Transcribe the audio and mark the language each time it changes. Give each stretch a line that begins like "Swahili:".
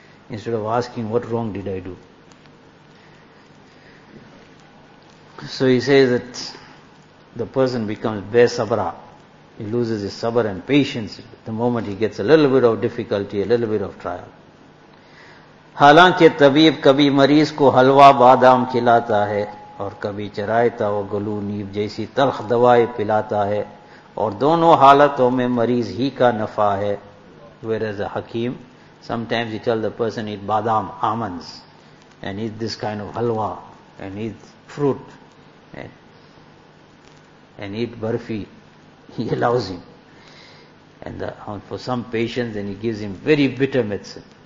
English: instead of asking what wrong did I do. So he says that the person becomes besabra. He loses his sabr and patience the moment he gets a little bit of difficulty, a little bit of trial.
Urdu: حالانکہ طبیب کبھی مریض کو حلوہ بادام کھلاتا ہے اور کبھی چرائتا و گلو نیب جیسی تلخ دوائے پلاتا ہے اور دونوں حالتوں میں مریض ہی کا نفع ہے.
English: Whereas a حکیم, sometimes you tell the person eat badam, almonds, and eat this kind of halwa, and eat fruit, and eat barfi, he allows him. And for some patients, then he gives him very bitter medicine.